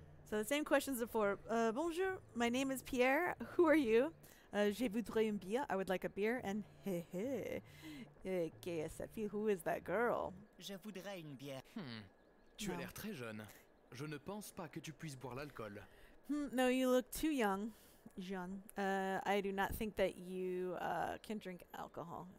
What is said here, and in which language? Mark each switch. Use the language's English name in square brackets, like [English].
[English] So the same questions before. Bonjour, my name is Pierre. Who are you? [French] Je voudrais une bière. [English] I would like a beer. And hehe. [French] Que est-ce que [English] who is that girl? [French] Je voudrais une bière. Tu as l'air très jeune. Je ne pense pas que tu puisses boire l'alcool. [English] No, you look too young. Jean, I do not think that you can drink alcohol.